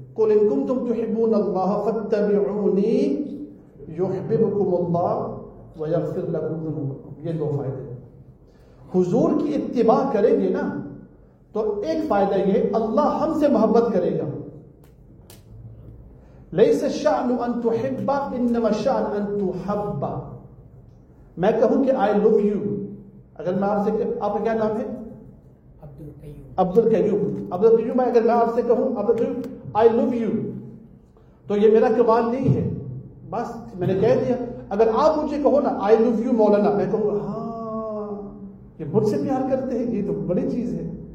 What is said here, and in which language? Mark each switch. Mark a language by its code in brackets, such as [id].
[ar] قل ان کنتم تحبون اللہ فاتبعونی یحببکم اللہ ویغفر لکم ذنوبکم, [ur] یہ دو فائدے. حضور کی اتباع کریں گے نا تو ایک فائدہ یہ, اللہ ہم سے محبت کرے گا. [ar] لیس الشأن ان تحب انما الشأن ان تحب. [ur] میں کہوں کہ [en] I love you, [ur] اگر میں آپ سے, آپ کا کیا نام ہے؟ عبدالقیوم. عبدالقیوم, اگر میں آپ سے کہوں عبدالقیوم [en] I love you, [ur] تو یہ میرا کمال نہیں ہے, بس میں نے کہہ دیا. اگر آپ مجھے کہو نا [en] I love you [ur] مولانا, میں کہوں گا ہاں یہ مجھ سے پیار کرتے ہیں, یہ تو بڑی چیز ہے.